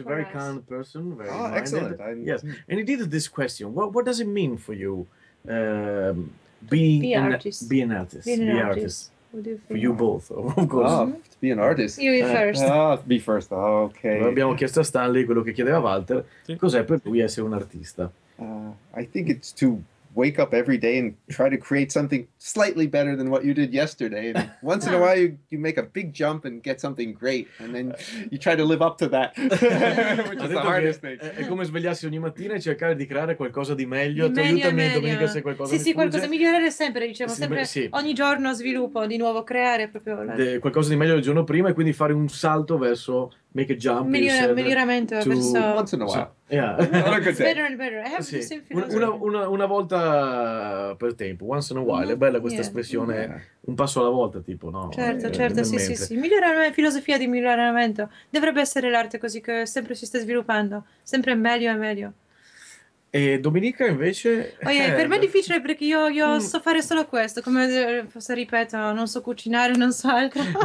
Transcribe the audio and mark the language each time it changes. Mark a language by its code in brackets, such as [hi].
[en] a very kind person, very excellent. Yes, and he did this question. What does it mean for you, being an artist? For you both, of course. To be an artist. You first. Be first. Okay. [it] Allora abbiamo chiesto a Stanley quello che chiedeva Walter. Sì. Cos'è per lui essere un artista? [en] I think it's to wake up every day and try to create something slightly better than what you did yesterday. And once in a while, you make a big jump and get something great, and then you try to live up to that. Which is the hardest thing. [it] È come svegliarsi ogni mattina e cercare di creare qualcosa di meglio. Ti aiutami, Domenica, se qualcosa. Sì, qualcosa migliorare sempre. Diciamo sempre. Sì. Ogni giorno sviluppo di nuovo, creare proprio. Qualcosa di meglio del giorno prima e quindi fare un salto verso. [en] Make a jump. [it] Miglioramento verso. [en] Once in a while. So, yeah. It's better and better. I have the same philosophy. [it] Una volta per tempo. [en] Once in a while. [it] È bella questa espressione. Yeah. Un passo alla volta, tipo, no? Certo, certo. Sì. Miglioramento. Filosofia di miglioramento. Dovrebbe essere l'arte così, che sempre si sta sviluppando. Sempre meglio e meglio. E Dominica, invece? Oh, yeah, per me è difficile, perché io so fare solo questo. Come se ripeto, non so cucinare, non so altro.